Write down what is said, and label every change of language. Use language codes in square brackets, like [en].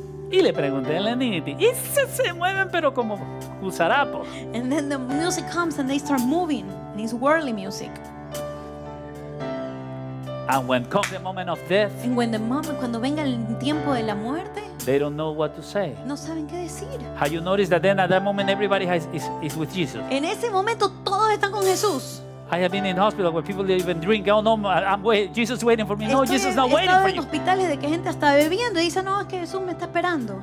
[es] Y le pregunté a la Nitty, y se mueven pero como gusarapos. [en] And then the music comes and they start moving. And it's worldly music. And when comes the moment of death. And when the moment, [es] cuando venga el tiempo de la muerte. [en] They don't know what to say. [es] No saben qué decir. [en] Have you noticed that then at that moment everybody is with Jesus? [es] En ese momento todos están con Jesús. [en] I have been in hospital where people even drink. Oh no, Jesus is waiting for me. [es] Estoy, [en] no, Jesus is not waiting for you. [es] En hospitales de que gente está bebiendo y dice no, es que Jesús me está esperando.